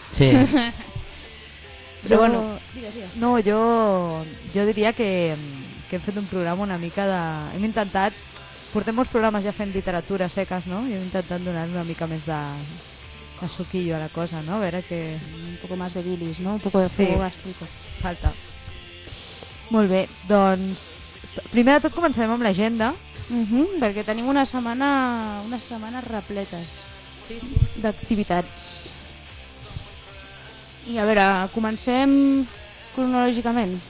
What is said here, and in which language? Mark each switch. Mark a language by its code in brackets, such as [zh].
[ca] Sí. Però bueno, digues. No, jo diria que hem fet un programa una mica de... Hem intentat, portem molts programes ja fent literatura seques, no? I hem intentat donar una mica més de suquillo a la cosa, no? A veure que... [es] Un poco más de bilis, no? Un poco de fuego gástrico. Sí, falta. [ca] Molt bé, doncs primer de tot comencem amb l'agenda, perquè tenim unes setmanes repletes d'activitats. I a veure, comencem cronològicament.